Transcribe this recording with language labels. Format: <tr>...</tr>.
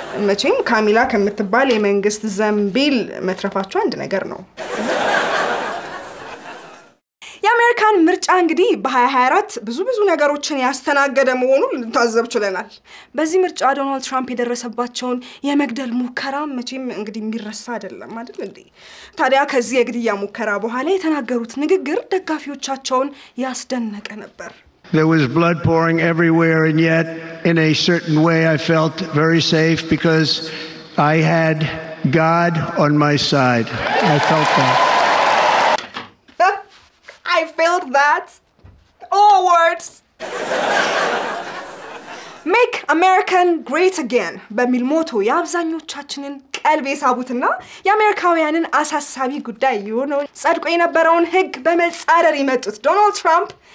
<am>መቼም ካሚላ ከምትባል የመንግስት ዘምቢል መትረፋቹ አንድ ነገር ነው የአሜሪካን ምርጫ እንግዲህ በ2024 ብዙ ነገሮችን ያስተናገደ መሆኑ ልንታዘብ ይችላል። በዚህ ምርጫ ዶናልድ ትራምፕ የደረሰባቸውን የመግደል ሙከራ መቼም እንግዲህ የሚረሳ አይደለም አይደል እንዴ? ታዲያ ከዚህ የግድያ ሙከራ በኋላ የተናገሩት ንግግር ደጋፊዎቻቸውን ያስደነቀ ነበር።</am> <en>There was blood pouring everywhere and yet in a certain way I felt very safe because I had God on my side. I felt that. I felt that all words make American great again</en> <am>በሚል ሞቶ ያብዛኞቻችንን ቀልብ የሳቡትና የአሜሪካውያንን አሳሳቢ ጉዳይ የሆነ ጻድቆ የነበረውን ህግ በመጻረር ይመጡት ዶናልድ ትራምፕ</am>